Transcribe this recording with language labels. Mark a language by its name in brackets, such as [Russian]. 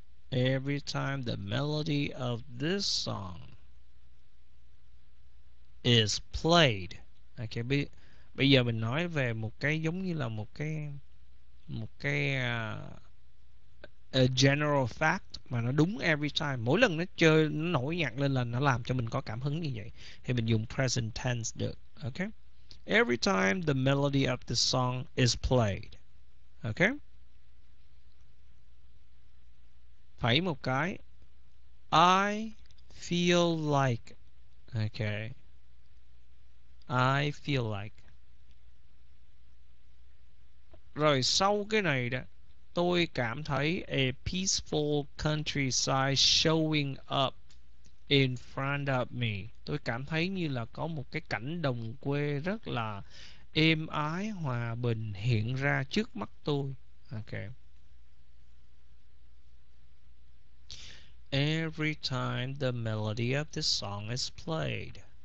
[English] Every time the melody of this song is played. [Vietnamese] Okay, bây giờ mình nói về một cái giống như là một cái [English] general fact [Vietnamese] mà nó đúng [English] every time, [Vietnamese] mỗi lần nó chơi nó nổi nhạc lên là nó làm cho mình có cảm hứng như vậy thì mình dùng present tense được. [English] Okay. Every time the melody of the song is played. Okay. [Vietnamese] Phẩy một cái. [English] I feel like. Okay. I feel like. [Vietnamese] Rồi sau cái này đó, tôi cảm thấy [English] a peaceful countryside showing up in front of me. [Vietnamese] Tôi cảm thấy như là có một cái cảnh đồng quê rất là êm ái hòa bình hiện ra trước mắt tôi. [English] Okay. Every time the melody of this song is played.